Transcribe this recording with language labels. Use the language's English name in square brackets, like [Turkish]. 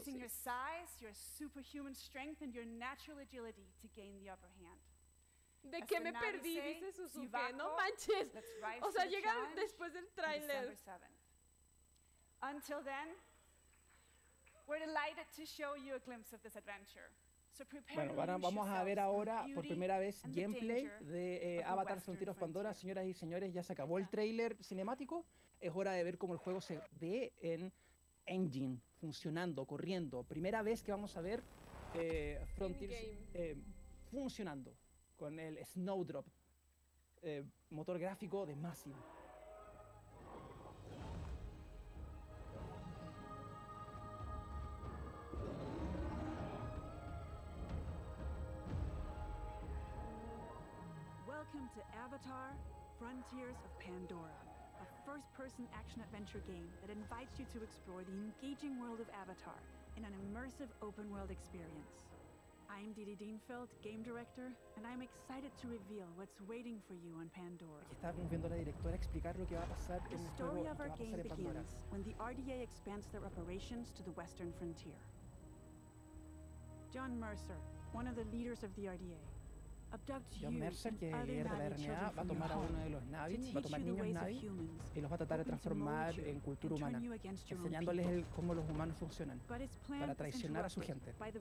[English] Using your size, your superhuman strength and your natural agility to gain the upper hand. [Spanish] ¿De qué me perdí? Dice Suzuki. No manches. O sea, llega después del tráiler. [English] Until then, we're delighted to show you a glimpse of this adventure. [Spanish] Bueno, vamos a ver ahora por primera vez gameplay de Avatar Frontiers of Pandora. Señoras y señores, ya se acabó el trailer cinemático. Es hora de ver cómo el juego se ve en engine, funcionando, corriendo. Primera vez que vamos a ver Frontiers funcionando con el Snowdrop, motor gráfico de Massive. [English] Welcome to Avatar Frontiers of Pandora, a first-person action-adventure game that invites you to explore the engaging world of Avatar in an immersive open-world experience. I'm Didi Dienfeld, game director, and I'm excited to reveal what's waiting for you on Pandora. [Spanish] Aquí estamos viendo a la directora explicar lo que va a pasar en el juego. [English] The story of our game begins when the RDA expands their operations to the Western Frontier. John Mercer, one of the leaders of the RDA, [Spanish] John Mercer, que es de la RNA, va a tomar a uno de los Na'vi, va a tomar niños Na'vi y los va a tratar de transformar en cultura humana, enseñándoles cómo los humanos funcionan para traicionar a su gente.